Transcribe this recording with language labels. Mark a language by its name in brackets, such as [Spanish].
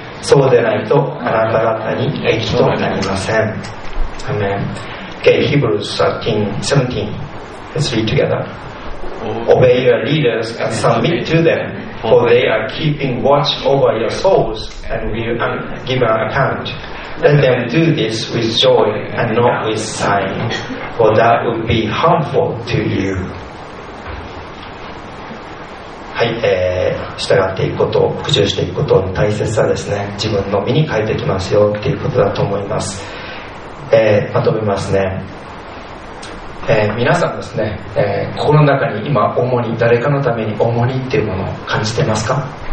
[Japanese] そうでないとあなた方に益となりません。アメン。 [English] Okay, Hebrews 13, 17. Let's read together. Obey your leaders and submit to them, for they are keeping watch over your souls and will give an account. Let them do this with joy and not with sighing, for that would be harmful to you. [Japanese] はい、従っていくこと、服従していくことの大切さですね。自分の身に変えてきますよということだと思います。まとめますね。皆さんですね、心の中に今主に誰かのために主にっていうものを感じてますか？